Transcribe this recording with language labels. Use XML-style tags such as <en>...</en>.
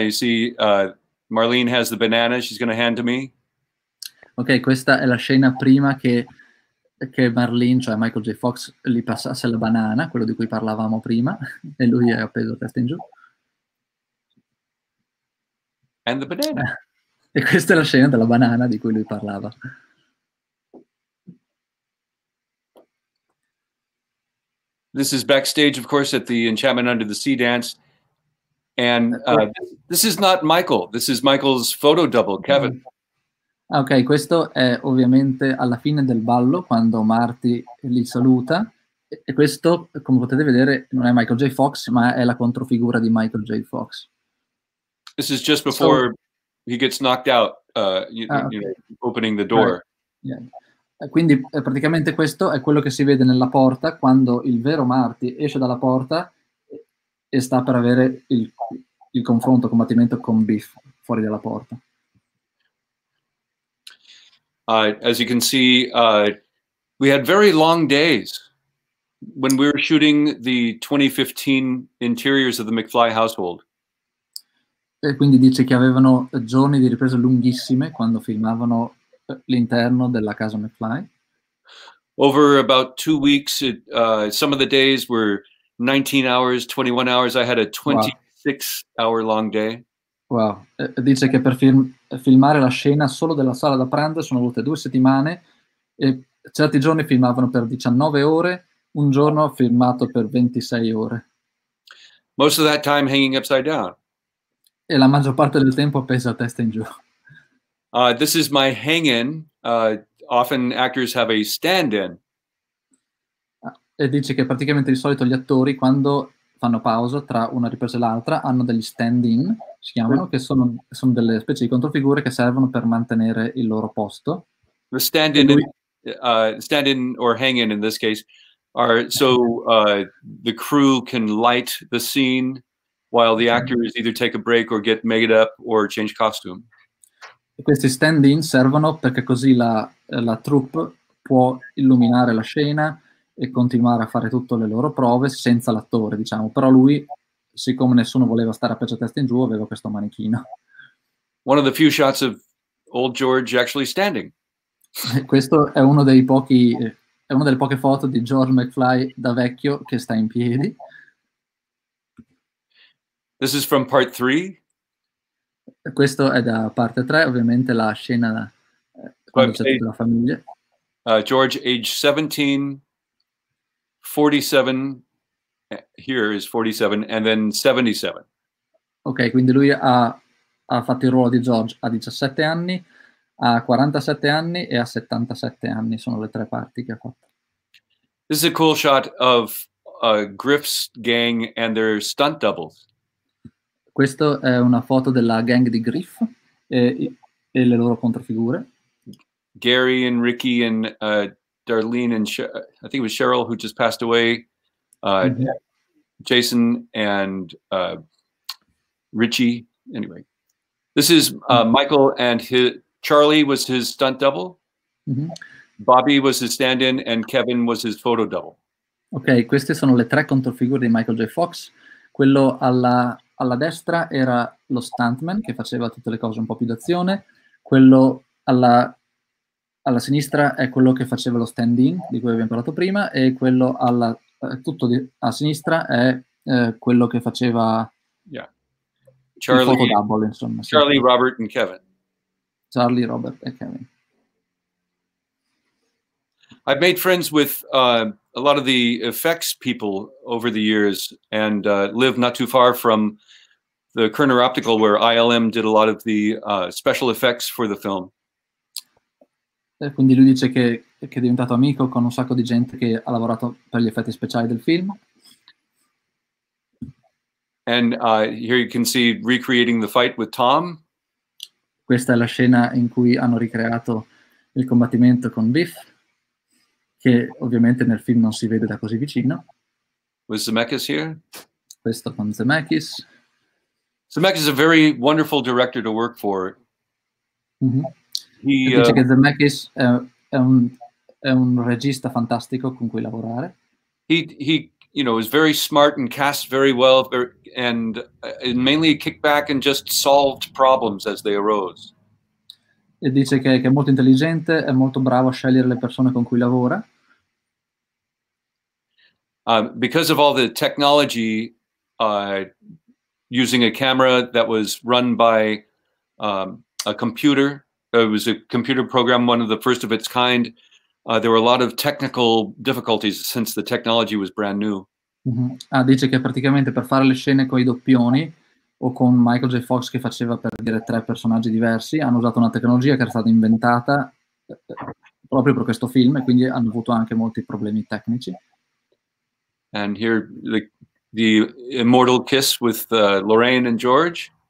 <en>You see, Marlene has the banana she's going to hand to me.</en> <it>Ok, questa è la scena prima che Marlene, cioè Michael J. Fox, gli passasse la banana, quello di cui parlavamo prima, e lui è appeso testa in giù.</it> <en>And the banana.</en> <it>E questa è la scena della banana di cui lui parlava.</it> <en>This is backstage, of course, at the Enchantment Under the Sea dance. And this is not Michael. This is Michael's photo double, Kevin.</en> <it>Ok, questo è ovviamente alla fine del ballo, quando Marty li saluta. E questo, come potete vedere, non è Michael J. Fox, ma è la controfigura di Michael J. Fox.</it> <en>This is just before he gets knocked out, opening the door. Right. Yeah.</en> <it>Quindi praticamente questo è quello che si vede nella porta quando il vero Marty esce dalla porta e sta per avere il confronto, il combattimento con Biff fuori dalla porta.</it> <en>As you can see, we had very long days when we were shooting the 2015 interiors of the McFly household.</en> <it>E quindi dice che avevano giorni di riprese lunghissime quando filmavano l'interno della casa McFly.</it> <en>Over about 2 weeks, some of the days were 19 hours, 21 hours. I had a 26 hour long day. Wow.</en> <it>Dice che per filmare la scena solo della sala da pranzo sono volute 2 settimane e certi giorni filmavano per 19 ore, un giorno ho filmato per 26 ore.</it> <en>Most of that time hanging upside down.</en> <it>E la maggior parte del tempo appeso a testa in giù.</it> <en>This is my hang-in. Often actors have a stand-in.</en> <it>E dice che praticamente di solito gli attori quando fanno pausa tra una ripresa e l'altra hanno degli stand-in, si chiamano, che sono delle specie di controfigure che servono per mantenere il loro posto.</it> <en>The stand-in, stand-in or hang-in in this case are so the crew can light the scene while the actors either take a break or get made up or change costume.</en> <it>E questi stand-in servono perché così la troupe può illuminare la scena e continuare a fare tutte le loro prove senza l'attore, diciamo. Però lui, siccome nessuno voleva stare a pezzo testa in giù, aveva questo manichino.</it> <en>One of the few shots of old George actually standing.</en> <it>Questo è uno dei pochi, è una delle poche foto di George McFly da vecchio che sta in piedi.</it> <en>This is from part 3.</en> <it>Questo è da parte 3, ovviamente la scena quando c'è tutta la famiglia.</it> <en>George, age 17, 47, here is 47, and then 77.</en> <it>Ok, quindi lui ha fatto il ruolo di George a 17 anni, a 47 anni e a 77 anni, sono le tre parti che ha fatto.</it> <en>This is a cool shot of Griff's gang and their stunt doubles.</en> <it>Questa è una foto della gang di Griff e le loro controfigure.</it> <en>Gary and Ricky and Darlene and I think it was Cheryl who just passed away. Jason and Richie. Anyway, this is Michael and Charlie was his stunt double. Mm-hmm. Bobby was his stand-in and Kevin was his photo double.</en> <it>Ok, queste sono le tre controfigure di Michael J. Fox. Quello alla destra era lo stuntman che faceva tutte le cose un po' più d'azione. Quello alla sinistra è quello che faceva lo stand-in di cui abbiamo parlato prima e quello a sinistra è quello che faceva Charlie, il photo double, insomma. Charlie, Robert e Kevin. Charlie, Robert e Kevin.</it> <en>I've made friends with a lot of the effects people over the years and live not too far from the Kerner Optical where ILM did a lot of the special effects for the film.</en> <it>Quindi lui dice che è diventato amico con un sacco di gente che ha lavorato per gli effetti speciali del film.</it> <en>And here you can see recreating the fight with Tom.</en> <it>Questa è la scena in cui hanno ricreato il combattimento con Biff, che ovviamente nel film non si vede da così vicino.</it> <en>With Zemeckis here.</en> <it>Questo con Zemeckis.</it> <en>Zemeckis is a very wonderful director to work for. Mm-hmm.</en> <it>He, dice che Zemeckis è un regista fantastico con cui lavorare.</it> <en>He you know, is very smart and cast very well, and mainly kicked back and just solved problems as they arose.</en> <it>E dice che è molto intelligente, è molto bravo a scegliere le persone con cui lavora.</it> <en>Because of all the technology, using a camera that was run by a computer, it was a computer program, one of the first of its kind, there were a lot of technical difficulties since the technology was brand new. Mm-hmm.</en> <it>Ah, dice che praticamente per fare le scene con i doppioni, o con Michael J. Fox che faceva per dire tre personaggi diversi, hanno usato una tecnologia che era stata inventata proprio per questo film e quindi hanno avuto anche molti problemi tecnici.</it> <en>And here the immortal kiss with Lorraine and George.</en>